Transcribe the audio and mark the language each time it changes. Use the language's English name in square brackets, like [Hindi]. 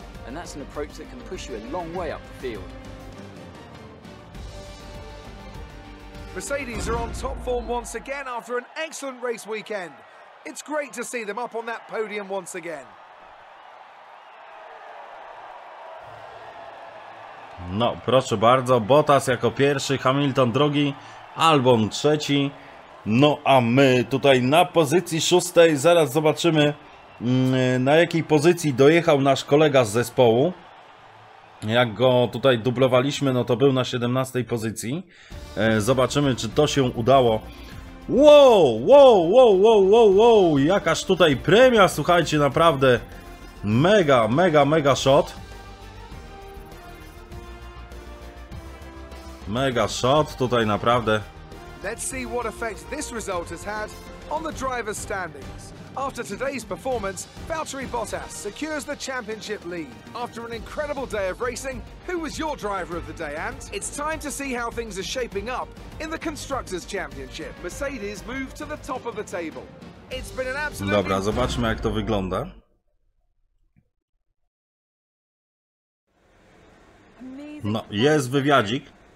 [English] And that's an approach that can push you a long way up the field. Mercedes are on top form once again after an excellent race weekend. It's great to see them up on that podium once again. [Polish] No, proszę bardzo, Bottas jako pierwszy, Hamilton drugi, Albon trzeci. No, a my tutaj na pozycji szóstej, zaraz zobaczymy, na jakiej pozycji dojechał nasz kolega z zespołu. Jak go tutaj dublowaliśmy, no to był na 17 pozycji. Zobaczymy, czy to się udało. Wow, wow, wow, wow, wow, wow, jakaż tutaj premia, słuchajcie, naprawdę mega, mega, mega shot. Mega shot tutaj naprawdę. [English] Let's see what effect this result has had on the driver's standings. After today's performance, Valtteri Bottas secures the championship lead. After an incredible day of racing, who was your driver of the day, Ant? It's time to see how things are shaping up in the Constructors' Championship. Mercedes move to the top of the table. It's been an absolute... [Polish] Dobra, zobaczmy jak to wygląda. No, jest wywiadzik.